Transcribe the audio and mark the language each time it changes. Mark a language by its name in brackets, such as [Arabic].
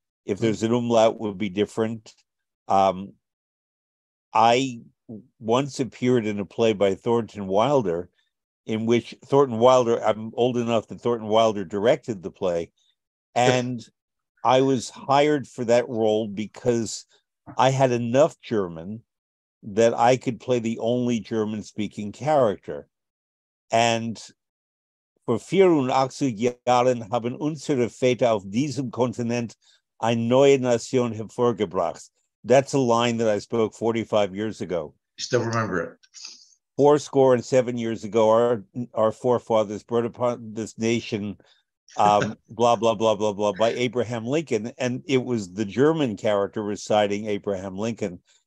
[English] If there's an umlaut, would be different. I once appeared in a play by Thornton Wilder in which Thornton Wilder, I'm old enough that Thornton Wilder directed the play. And I was hired for that role because I had enough German that I could play the only German speaking character. [German] And for vier und achtzig Jahren haben unsere Väter auf diesem Kontinent eine neue Nation hervorgebracht. [English] That's a line that I spoke 45 years ago. Still remember it. 87 years ago, our forefathers brought upon this nation, blah, blah, blah, blah, blah, by Abraham Lincoln. And it was the German character reciting Abraham Lincoln.